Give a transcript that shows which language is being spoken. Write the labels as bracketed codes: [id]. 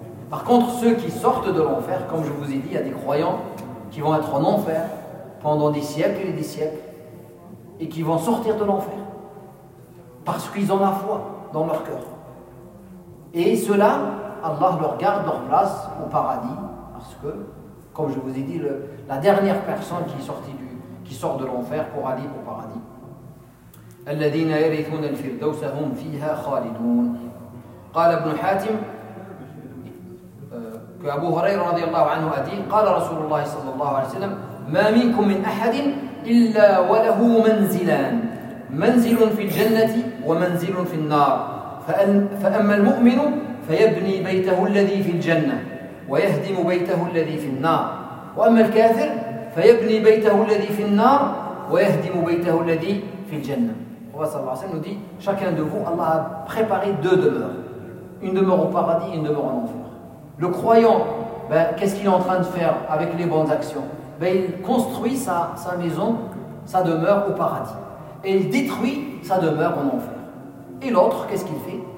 [fr] Par contre, ceux qui sortent de l'enfer, comme je vous ai dit, il y a des croyants qui vont être en enfer pendant des siècles et des siècles et qui vont sortir de l'enfer parce qu'ils ont la foi dans leur cœur. Et ceux-là, Allah leur garde leur place au paradis parce que, comme je vous ai dit, la dernière personne qui sort de l'enfer pourra aller au paradis. [ar] الذين يرثون الفردوس هم فيها خالدون قال ابن حاتم كأبو هريرة رضي الله عنه أدين قال رسول الله صلى الله عليه وسلم ما منكم من أحد إلا وله منزلان منزل في الجنة ومنزل في النار فأما المؤمن فيبني بيته الذي في الجنة ويهدم بيته الذي في النار وأما الكافر فيبني بيته الذي في النار ويهدم بيته الذي في الجنة. [fr] Ça nous dit, chacun de vous, Allah a préparé deux demeures. Une demeure au paradis et une demeure en enfer. Le croyant, ben, qu'est-ce qu'il est en train de faire avec les bonnes actions ? Ben, il construit sa maison, sa demeure au paradis. Et il détruit sa demeure en enfer. Et l'autre, qu'est-ce qu'il fait ?